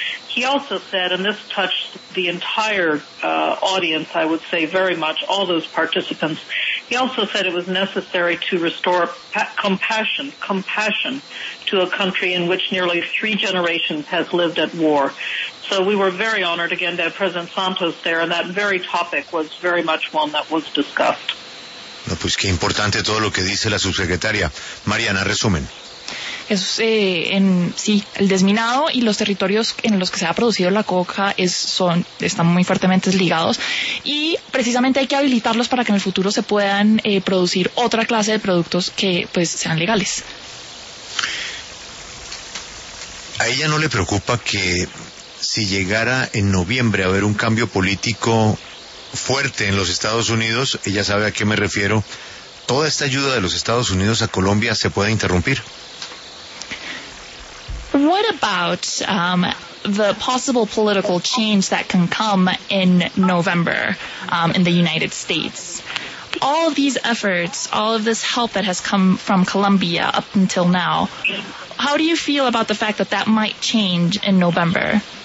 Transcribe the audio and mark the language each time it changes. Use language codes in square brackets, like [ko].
[en] He also said, and this touched the entire audience, I would say, very much, all those participants, he also said it was necessary to restore compassion to a country in which nearly three generations has lived at war. So we were very honored, again, to have President Santos there, and that very topic was very much one that was discussed. [es] No, pues qué importante todo lo que dice la subsecretaria. Mariana, resumen. Es, en sí, el desminado y los territorios en los que se ha producido la coca están muy fuertemente ligados, y precisamente hay que habilitarlos para que en el futuro se puedan producir otra clase de productos que pues sean legales. ¿A ella no le preocupa que si llegara en noviembre a haber un cambio político fuerte en los Estados Unidos, ella sabe a qué me refiero, toda esta ayuda de los Estados Unidos a Colombia se pueda interrumpir? [en] What about the possible political change that can come in November in the United States? All of these efforts, all of this help that has come from Colombia up until now, how do you feel about the fact that that might change in November?